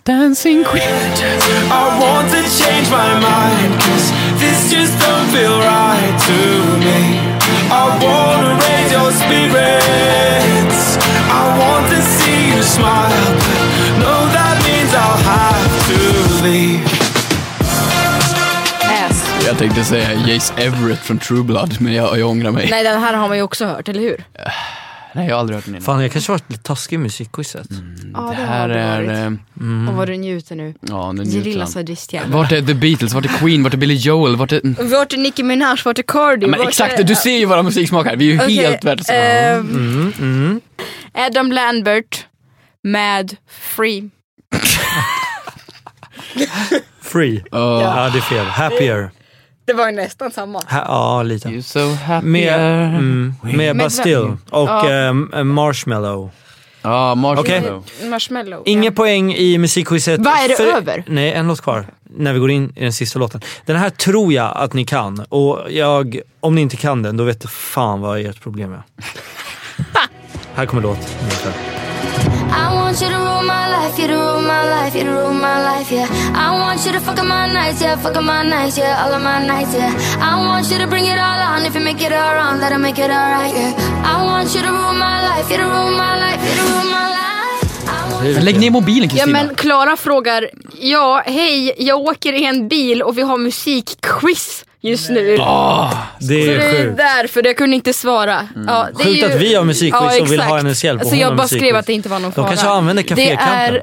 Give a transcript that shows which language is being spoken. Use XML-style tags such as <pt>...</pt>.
<en>Dancing Queen. I want to change my mind. This just don't feel right to me. I wanna raise your spirits. I want to see you smile. No, that means I'll have to leave. Yes.</en> <sv>Jag tänkte säga Jace Everett från True Blood, men jag ångrar mig. Nej, den här har man ju också hört, eller hur? Nej, jag har aldrig hört den innan. Fan, jag kanske har varit lite taskig i musikquizet. Det här är och vad du njuter nu. Ja, nu njuter Gerilla sadistjärn. Vart är The Beatles? Vart är Queen? Vart är Billy Joel? Vart är Nicki Minaj? Vart är Cardi? Men exakt, du ser ju våra musiksmakar. Vi är ju helt värdelösa. Adam Lambert med Free. Free. Ja, det är fel. Happier. Det var ju nästan samma. Ja, lite.</sv> <en>You're so happy.</en> <sv>Med Bastille och Marshmallow. Ja, Marshmallow. Okay. Marshmallow. Inget poäng i musikquizet. Vad är det för, över? Nej, en låt kvar. När vi går in i den sista låten. Den här tror jag att ni kan. Och jag, om ni inte kan den, då vet du fan vad ert problem är. Här kommer låt.</sv> <en>I want you to rule my life, you to rule my life, you to rule my life, yeah. I want you to fuck up my nights, yeah, fuck up my nights, yeah, all of my nights, yeah. I want you to bring it all on, if you make it all wrong, that'll make it all right, yeah. I want you to rule my life, you to rule my life, you to rule my life.</en> <sv>Lägg ner mobilen, Kristina. Ja, men Klara frågar, ja, hej, jag åker i en bil och vi har musikquiz just nu. Det är sjukt. Därför, jag kunde inte svara. Mm. Ja, det sjukt är ju... att vi har musikquiz, ja, och vill ha hennes hjälp. Så jag bara skrev att det inte var någon fara. De kanske använder Cafekampen.</sv>